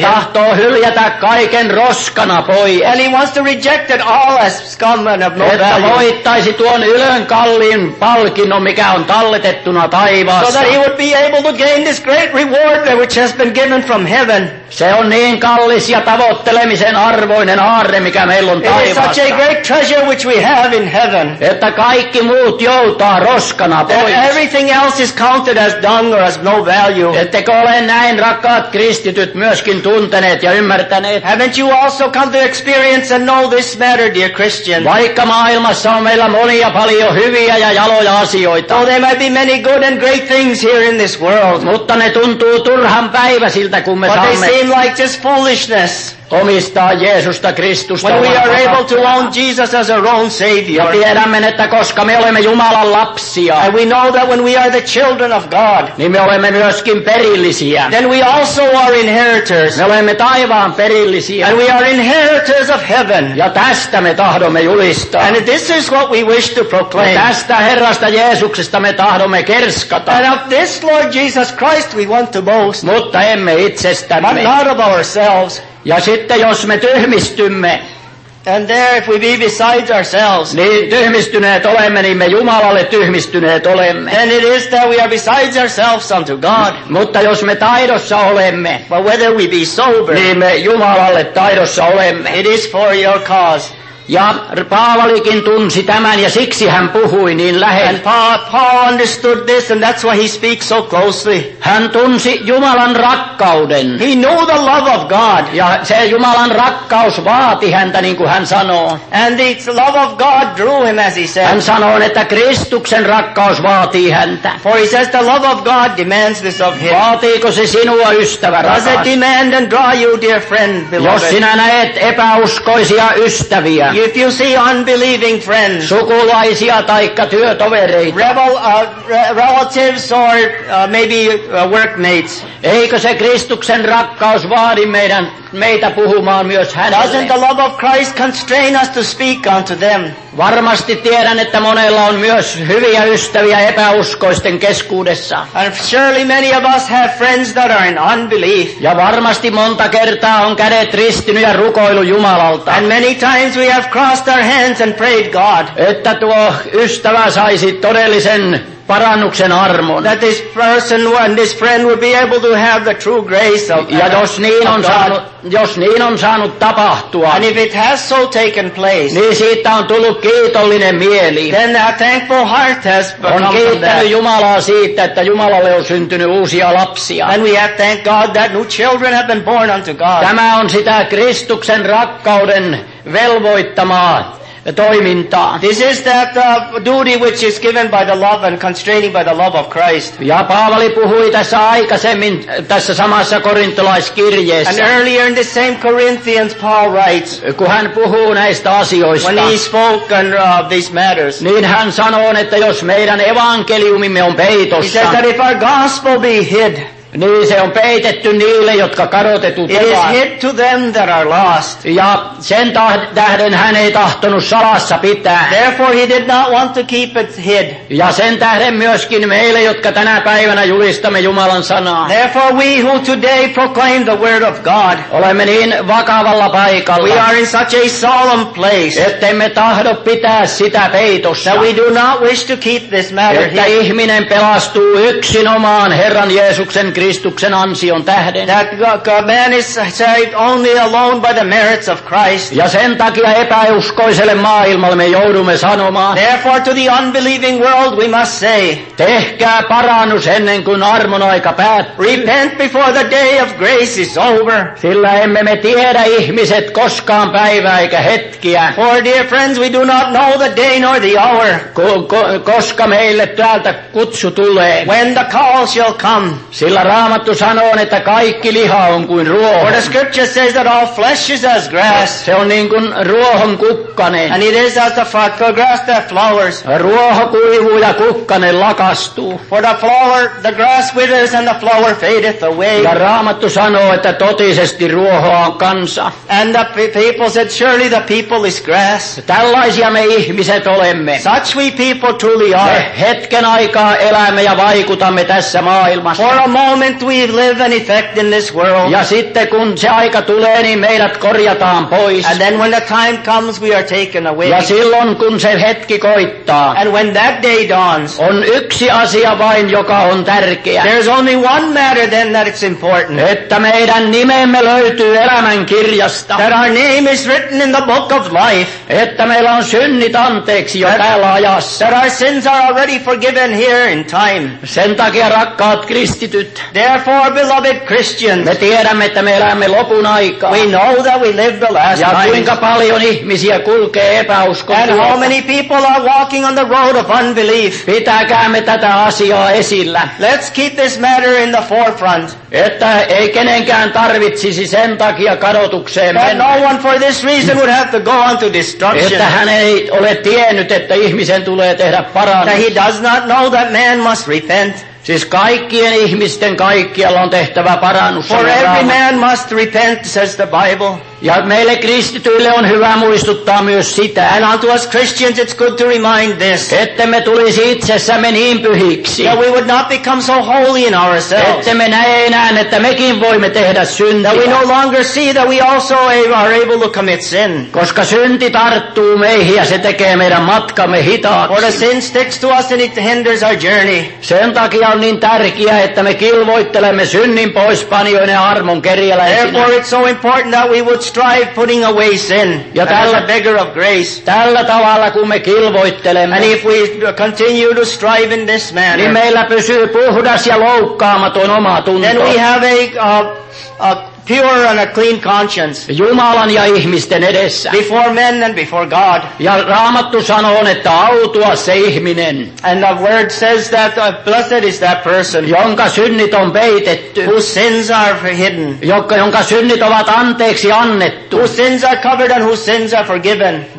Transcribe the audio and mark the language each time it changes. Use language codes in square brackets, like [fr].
[fi] Ja tahtoo hyljätä kaiken roskana pois. [en] And he wants to reject it all as scum and of no value. [fi] Että voittaisi tuon ylön kalliin palkinnon, mikä on talletettuna taivaassa. [en] So that he would be able to gain this great reward which has been given from heaven. [fi] Se on niin kallis ja tavoittelemisen arvoinen aarre, mikä meillä on taivaassa. [en] It is such a great treasure which we have in heaven. [fi] Että kaikki muut joutaa roskana pois. [en] That everything else is counted as dung. Or has no value. [fi] Ettekö ole näin rakkaat kristityt myöskin tunteneet ja ymmärtäneet? [en] Haven't you also come to experience and know this matter, dear Christian? [fi] Vaikka maailmassa on meillä monia paljon hyviä ja jaloja asioita. [en] Though there might be many good and great things here in this world. [fi] Mutta ne tuntuu turhan päivä siltä, kun me saamme. [en] But they seem like just foolishness. [fi] Omistaa Jeesusta Kristusta. [en] When we are able to own Jesus as our own Savior. [fi] Ja tiedämme, että koska me olemme Jumalan lapsia. [en] And we know that when we are the children of God. [fi] Niin me olemme myöskin perillisiä. [en] Then we also are inheritors. [fi] Me olemme taivaan perillisiä. [en] And we are inheritors of heaven. [fi] Ja tästä me tahdomme julistaa. [en] And this is what we wish to proclaim. [fi] Ja tästä Herrasta Jeesuksesta me tahdomme kerskata. [en] And of this Lord Jesus Christ we want to boast. [fi] Mutta emme itsestämme. [en] But not of ourselves. [fi] Ja sitten jos me tyhmistymme. [en] And there if we be besides ourselves. [fi] Niin tyhmistyneet olemme, niin me Jumalalle tyhmistyneet olemme. [en] And it is that we are besides ourselves unto God. [fi] Mutta jos me taidossa olemme. [en] But whether we be sober. [fi] Niin me Jumalalle taidossa olemme. [en] It is for your cause. [fi] Ja Paavalikin tunsi tämän ja siksi hän puhui niin lähellä. [en] And Paul understood this and that's why he speaks so closely. [fi] Hän tunsi Jumalan rakkauden. [en] He knew the love of God. [fi] Ja se Jumalan rakkaus vaati häntä niin kuin hän sanoo. [en] And the love of God drew him as he said. [fi] Hän sanoo, että Kristuksen rakkaus vaatii häntä. [en] For he says the love of God demands this of him. [fi] Vaatiiko se sinua, ystävä rakas? [en] Does it demand and draw you, dear friend, beloved? [fi] Jos sinä näet epäuskoisia ystäviä. [en] If you see unbelieving friends, [fi] sukulaisia taikka työtovereita, [en] relatives or maybe workmates, [fi] eikö se Kristuksen rakkaus vaadi meitä puhumaan myös hänelle? [en] Doesn't the love of Christ constrain us to speak unto them? [fi] Varmasti tiedän, että monella on myös hyviä ystäviä epäuskoisten keskuudessa. [en] And surely many of us have friends that are in unbelief. [fi] Ja varmasti monta kertaa on kädet ristinyt ja rukoillut Jumalalta. [en] And many times we have crossed our hands and prayed God. [fi] Että tuo ystävä saisi todellisen parannuksen armon. [en] That this person and this friend would be able to have the true grace of God. [fi] Ja jos niin on saanut tapahtua. [en] And if it has so taken place. [fi] Niin siitä on tullut kiitollinen mieli. [en] Then that thankful heart has become. [fi] On kiittänyt Jumalaa siitä, että Jumalalle on syntynyt uusia lapsia. [en] And we have thanked God that new children have been born unto God. [fi] Tämä on sitä Kristuksen rakkauden velvoittamaa. [en] This is that duty which is given by the love and constraining by the love of Christ. [fi] Ja Paavali puhui tässä aikaisemmin tässä samassa korintolaiskirjeessä. [en] And earlier in the same Corinthians, Paul writes. [fi] Kun hän puhuu näistä asioista. [en] When he spoke on these matters. [fi] Niin hän sanoo, että jos meidän evankeliumimme on peitossa. [en] He said that if our gospel be hid. [fi] Niin se on peitetty niille, jotka kadotetut ovat. [en] It is hid to them that are lost. [fi] Ja sen tähden hän ei tahtonut salassa pitää. [en] Therefore he did not want to keep it hid. [fi] Ja sen tähden myöskin meille, jotka tänä päivänä julistamme Jumalan sanaa. [en] Therefore we who today proclaim the word of God. [fi] Olemme niin vakavalla paikalla. [en] We are in such a solemn place. [fi] Että emme tahdo pitää sitä peitossa. [en] That we do not wish to keep this matter hid. [fi] Että ihminen pelastuu yksinomaan Herran Jeesuksen Kristuksen ansion tähden. [en] That man is saved only alone by the merits of Christ. [fi] Ja sen takia epäuskoiselle maailmalle me joudumme sanomaan. [en] Therefore to the unbelieving world we must say. [fi] Tehkää parannus ennen kuin armon aika päättyy. [en] Repent before the day of grace is over. [fi] Sillä emme me tiedä ihmiset koskaan päivää eikä hetkiä. [en] For dear friends we do not know the day nor the hour. [fi] Koska meille täältä kutsu tulee. [en] When the call shall come. [fi] Sillä Raamattu sanoo, että kaikki liha on kuin ruoho. [en] For the scripture says that all flesh is as grass. [fi] Se on niin kuin ruohon kukkanen. [en] And it is as the grass that flowers. [fi] Ruoho kuivuu ja kukkanen lakastuu. [en] For the flower, the grass withers and the flower fadeth away. [fi] Ja Raamattu sanoo, että totisesti ruoho on kansa. [en] And the people said, surely the people is grass. [fi] Tällaisia me ihmiset olemme. [en] Such we people truly are. [fi] Me hetken aikaa elämme ja vaikutamme tässä maailmassa. [en] For a moment we live and effect in this world. [fi] Ja sitten kun se aika tulee, niin meidät korjataan pois. [en] And then when the time comes, we are taken away. [fi] Ja silloin kun se hetki koittaa. [en] And when that day dawns. [fi] On yksi asia vain, joka on tärkeä. [en] There's only one matter then that it's important. [fi] Että meidän nimemme löytyy elämän kirjasta. [en] That our name is written in the book of life. [fi] Että meillä on synnit anteeksi jo täällä ajassa. [en] That our sins are already forgiven here in time. [fi] Sen takia rakkaat [en] therefore, beloved Christians, [fi] me tiedämme, että me elämme lopun aikaa. [en] We know that we live the last [fi] ja kuinka paljon ihmisiä kulkee epäuskon. [en] And how many people are walking on the road of unbelief. [fi] Pitäkäämme tätä asiaa esillä. [en] Let's keep this matter in the forefront. [fi] Että ei kenenkään tarvitsisi sen takia kadotukseen [en] that [fi] mennä. [en] No one for this reason would have to go on to destruction. [fi] Että hän ei ole tiennyt, että ihmisen tulee tehdä parannus. [en] That he does not know that man must repent. [fi] Siis kaikkien ihmisten kaikkialla on tehtävä parannus. [en] For every man must repent, says the Bible. [fi] Ja meille kristityille on hyvä muistuttaa myös sitä. [en] And unto us Christians it's good to remind this. [fi] Että me tulisi itsessämme niin pyhiksi. [en] That we would not become so holy in ourselves. [fi] Että me näe enää, että mekin voimme tehdä syntiä. [en] That we no longer see that we also are able to commit sin. [fi] Koska synti tarttuu meihin ja se tekee meidän matkamme hitaaksi. [en] For the sin sticks to us and it hinders our journey. [fi] Sen takia on niin tärkeää, että me kilvoittelemme synnin poispanijoina ja armon kerjällä esinä. [en] Therefore it's so important that we would strive putting away sin. [fi] Ja tällä [en] beggar of grace. [fi] Tällä tavalla kun me kilvoittelemme. [en] And if we continue to strive in this manner. [fi] Niin meillä pysyy puhdas ja loukkaamaton oma tunto. [en] Then we have a pure and a clean conscience. [fi] Jumalan ja ihmisten edessä. [en] Before men and before God. [fi] Ja Raamattu sanoo, että autua se ihminen. [en] And the word says that blessed is that person. [fi] Jonka synnit on peitetty. [en] Whose sins are hidden. [fi] Jonka synnit ovat anteeksi annettu. [en] Whose sins are covered and whose sins are forgiven.